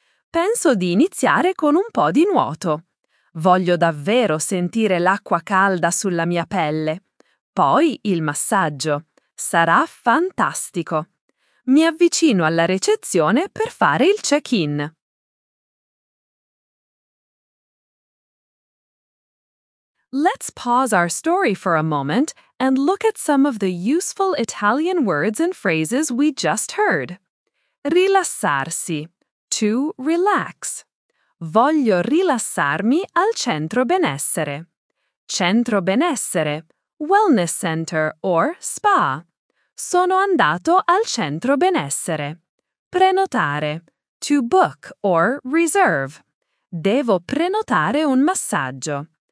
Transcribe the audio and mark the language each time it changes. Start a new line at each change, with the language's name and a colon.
Italian: Penso di iniziare con un po' di nuoto. Voglio davvero sentire l'acqua calda sulla mia pelle. Poi il massaggio. Sarà fantastico. Mi avvicino alla recezione per fare il check-in.
English: Let's pause our story for a moment and look at some of the useful Italian words and phrases we just heard. Rilassarsi. To relax.
Italian: Voglio rilassarmi al centro benessere.
English: Centro benessere. Wellness center or spa.
Italian: Sono andato al centro benessere. Prenotare.
English: To book or reserve.
Italian: Devo prenotare un massaggio.